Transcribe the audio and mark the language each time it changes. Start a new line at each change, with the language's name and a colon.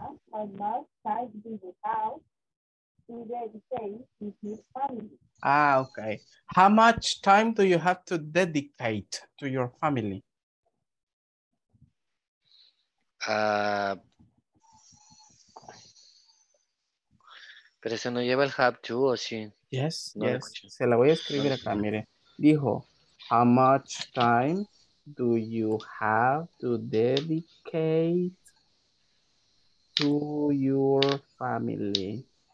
English: How much time do you have to dedicate to your family? Ah, okay. How much time do you have to dedicate to your family?
Spanish: Pero se no lleva el have to, ¿o sí?
English: Yes, no, yes.
Spanish: Se la voy a escribir acá, mire. Dijo,
English: how much time do you have to dedicate to your family?